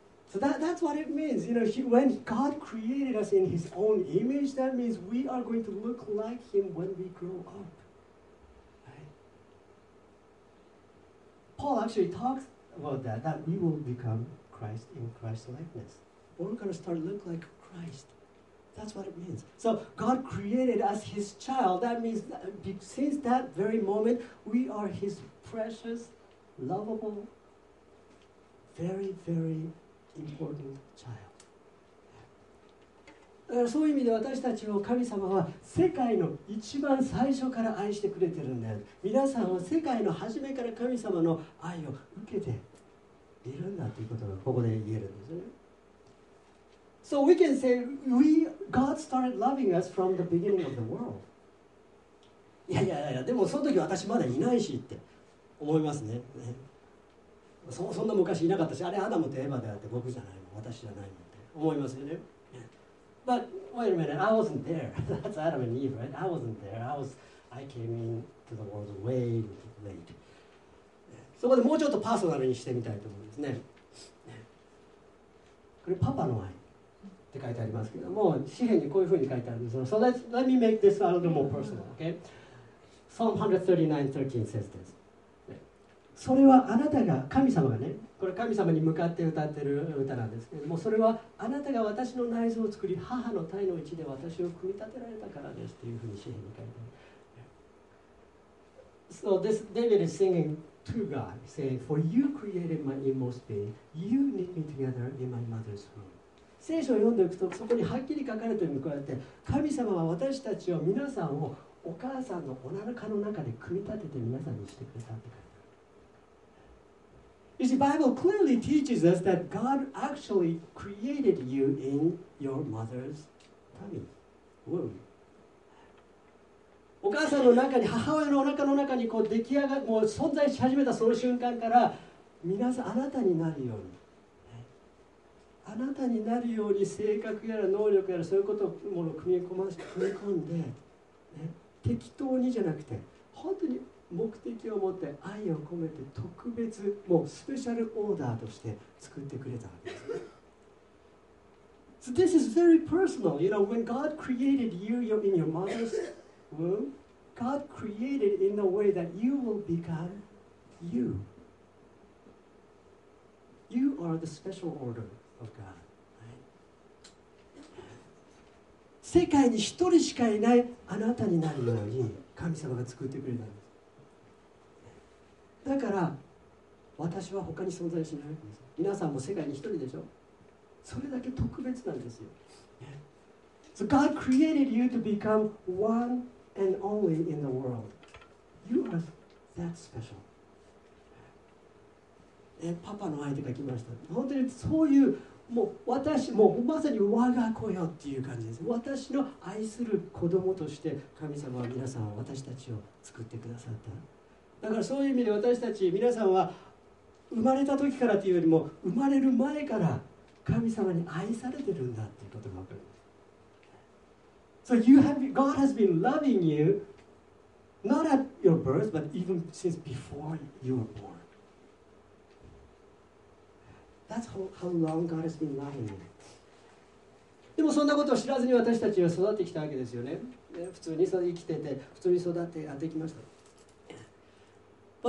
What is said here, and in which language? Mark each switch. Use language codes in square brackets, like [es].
[en] So that's what it means. You know, when God created us in His own image, that means we are going to look like Him when we grow up. Right? Paul actually talks about that we will become Christ in Christ's likeness. We're going to start to look like Christ. That's what it means. So God created us His child. That means that since that very moment, we are His precious, lovable, very, veryimportant child. [ja] だからそういう意味で私たちを神様は世界の一番最初から愛してくれてるんだよ。皆さんは世界の初めから神様の愛を受けているんだということがここで言えるんですね。 [en] So we can say God started loving us from the beginning of the world. [ja] いやでもその時私まだいないしって思いますね。そんな昔いなかったし、あれアダムとエヴァであって僕じゃないもん、私じゃないもんって思いますよね。 [en] But wait a minute, I wasn't there. That's Adam and Eve, right? I wasn't there. I came into the world way late. [ja] そこでもうちょっとパーソナルにしてみたいと思うんですね。これパパの愛って書いてありますけども、詩編にこういうふうに書いてあるんですよ。 [en] So let me make this a little more personal, okay? Psalm 139:13 says this. [ja] それはあなたが、神様がね、これ神様に向かって歌ってる歌なんですけども、それはあなたが私の内臓を作り、母の胎の内で私を組み立てられたからですというふうに詩編に書いてある。 [en] So this David is singing to God, saying, For you created my inmost being, you knit me together in my mother's womb. [ja] 聖書を読んでいくとそこにはっきり書かれているように、こうやって神様は私たちを皆さんをお母さんのお腹の中で組み立てて皆さんにしてくれたって書いてある。 [en] You see, Bible clearly teaches us that God actually created you in your mother's tummy womb。 [ja] お母さんの中に、母親のお腹の中にこう出来上がもう存在し始めたその瞬間から、皆さんあなたになるように、ね、あなたになるように性格やら能力やらそういうことをものを組み込んで、ね、適当にじゃなくて本当に目的を持って愛を込めて特別もうスペシャルオーダーとして作ってくれたわけです。 [en] So this is very personal. You know, when God created you in your mother'sGod created in a way that you will become you. You are the special order of God.、Right? [ja] 世界に一人しかいないあなたになるように神様が作ってくれたんです。だから私は他に存在しないんです。皆さんも世界に一人でしょ。それだけ特別なんですよ。 [en] So God created you to become one. And only in the world. You are that special. [ja] え、パパの相手が来ました。本当にそういう、もう私、もうまさに我が子よっていう感じです。私の愛する子供として神様は皆さんは私たちを作ってくださった。だからそういう意味で私たち皆さんは生まれた時からというよりも生まれる前から神様に愛されてるんだっていうことがわかる。 [en] So you have been, God has been loving you, not at your birth, but even since before you were born. That's how long God has been loving you. [ja] でもそんなことを知らずに私たちは育ってきたわけですよね。普通に生きてて、普通に育ってやってきました。